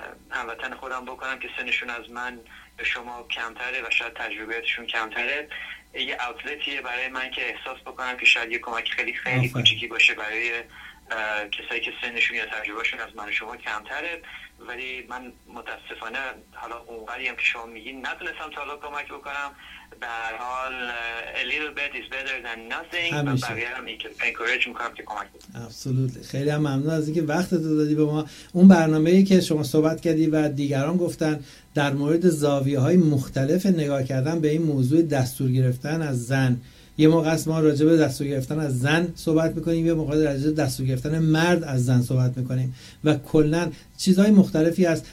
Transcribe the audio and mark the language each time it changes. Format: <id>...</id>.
<fa>هموطن خودم بکنم که سنشون از من به شما کمتره و شاید تجربیاتشون کمتره، یه اوتلتیه برای من که احساس بکنم که شاید یه کمک خیلی خیلی کوچیکی باشه برای کسایی که سنشون یا تجربهشون از من شما کمتره. ولی من متاسفانه حالا اونقدی هم که شما میگین نتونستم تا حالا کمک بکنم.</fa> <en>به هر حال a little bit is better than nothing.</en> <fa>همیشه. من بقیه هم encourage میکنم که کمک بکنم.</fa> <en>Absolutely.</en> <fa>خیلی هم ممنون از اینکه وقت تو دادی به ما. اون برنامه‌ای که شما صحبت کردی و دیگران گفتن در مورد زاویه‌های مختلف نگاه کردن به این موضوع دستور گرفتن از زن، یه موقع است ما راجع به دستور گرفتن از زن صحبت میکنیم، یه موقع راجع به دستور گرفتن مرد از زن صحبت میکنیم و کلن چیزهای مختلفی هست.</fa>